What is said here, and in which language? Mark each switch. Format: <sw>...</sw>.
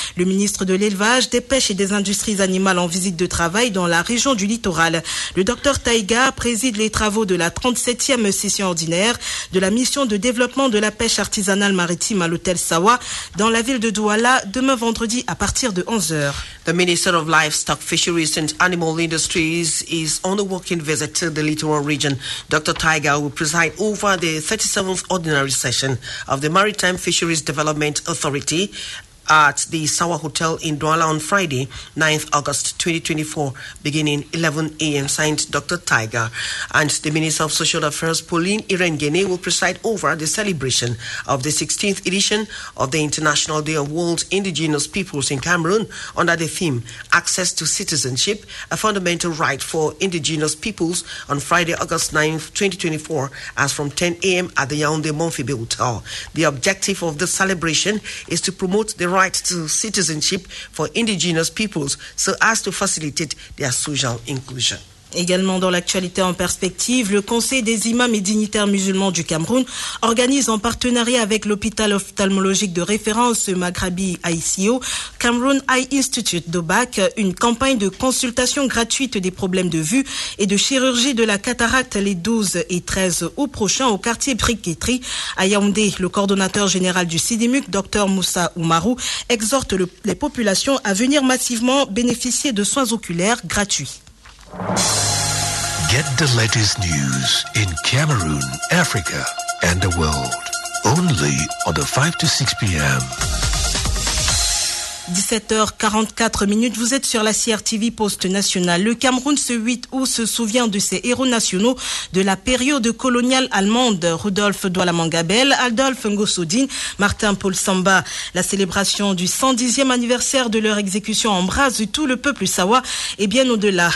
<fr>Le ministre de l'Élevage, des Pêches et des Industries Animales en visite de travail dans la région du littoral. Le docteur Taïga préside les travaux de la 37e session ordinaire de la mission de développement de la pêche artisanale maritime à l'hôtel Sawa dans la ville de Douala demain vendredi à partir de 11h.</fr> <en>The Minister of Livestock, Fisheries and Animal Industries is on a walking visit to the littoral region. Dr. Taiga will preside over the 37th ordinary session of the Maritime Fisheries Development Authority at the Sawa Hotel in Douala on Friday, 9th August 2024, beginning 11 a.m., signed Dr. Taiga. And the Minister of Social Affairs, Pauline Irengene, will preside over the celebration of the 16th edition of the International Day of World Indigenous Peoples in Cameroon under the theme Access to Citizenship, a Fundamental Right for Indigenous Peoples on Friday, August 9th, 2024, as from 10 a.m. at the Yaoundé Montfébé Hotel. The objective of the celebration is to promote the right to citizenship for indigenous peoples so as to facilitate their social inclusion.</en> <fr>Également dans l'actualité en perspective, le Conseil des imams et dignitaires musulmans du Cameroun organise en partenariat avec l'hôpital ophtalmologique de référence Maghrabi ICO, Cameroun Eye Institute d'Obac, une campagne de consultation gratuite des problèmes de vue et de chirurgie de la cataracte les 12 et 13 août prochains au quartier Briqueterry à Yaoundé. Le coordonnateur général du CIDIMUC, Dr Moussa Oumarou, exhorte les populations à venir massivement bénéficier de soins oculaires gratuits.</fr> <en>Get the latest news in Cameroon, Africa, and the world only on the 5 to 6 p.m.</en> <fr>17h44 minutes, vous êtes sur la CRTV Poste National. Le Cameroun ce 8 août se souvient de ses héros nationaux de la période coloniale allemande. Rodolphe Douala Mangabel, Adolphe Ngossoudine, Martin Paul Samba. La célébration du 110e anniversaire de leur exécution embrase tout le peuple sawa et bien au-delà.</fr>